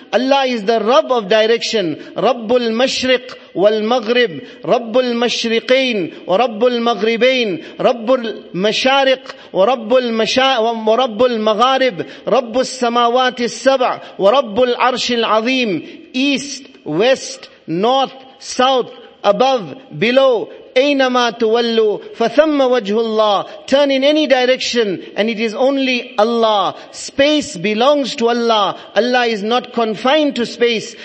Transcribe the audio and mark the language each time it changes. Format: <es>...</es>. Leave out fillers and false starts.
<en>Allah is the Rabb of direction.</en> <ar>رب المشرق والمغرب رب المشرقين ورب المغربين رب المشارق ورب المغارب رب السماوات السبع ورب العرش العظيم.</ar> <en>East, west, north, south, above, below.</en> <ar>أَيْنَمَا تُوَلُّوا فَثَمَّ وَجْهُ اللَّهِ.</ar> <en>Turn in any direction and it is only Allah. Space belongs to Allah. Allah is not confined to space.</en>